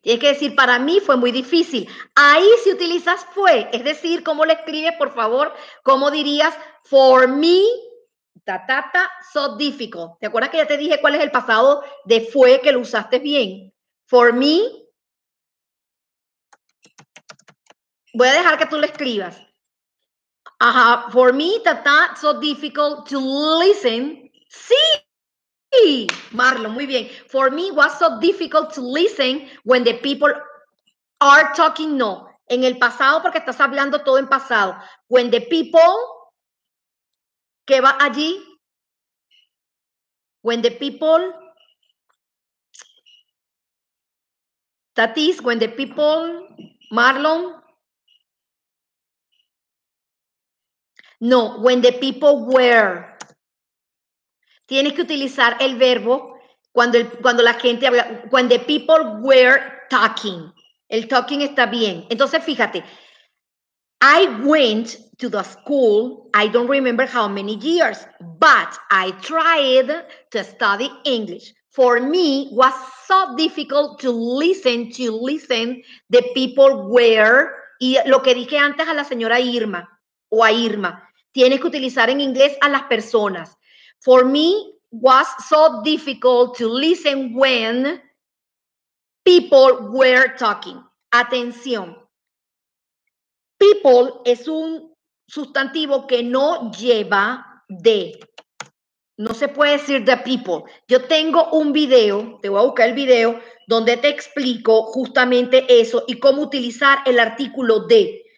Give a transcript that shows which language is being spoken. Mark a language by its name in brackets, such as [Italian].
[Spanish] Tienes que decir, para mí fue muy difícil. Ahí si utilizas fue, es decir, ¿cómo le escribes, por favor? ¿Cómo dirías, [English] for me, ta, ta, ta, so difficult? [Spanish] ¿Te acuerdas que ya te dije cuál es el pasado de fue que lo usaste bien? [English] For me, [Spanish] voy a dejar que tú lo escribas. [English] Ajá, for me, ta, ta, so difficult to listen. [Spanish] Sí, Marlon, muy bien. [English] For me, it was so difficult to listen when the people are talking. [Spanish] No, en el pasado, porque estás hablando todo en pasado. [English] When the people, [Spanish] ¿qué va allí? [English] When the people, that is, when the people, Marlon. No, when the people were. [Spanish] Tienes que utilizar el verbo cuando, cuando la gente habla, [English] when the people were talking. [Spanish] El talking está bien. Entonces, fíjate. [English] I went to the school, I don't remember how many years, but I tried to study English. For me, it was so difficult to listen the people were. [Spanish] Y lo que dije antes a la señora Irma, o a Irma, tienes que utilizar en inglés a las personas. [English] For me, was so difficult to listen when people were talking. [Spanish] Atención. People es un sustantivo que no lleva de. No se puede decir the people. Yo tengo un video, te voy a buscar el video, donde te explico justamente eso y cómo utilizar el artículo de.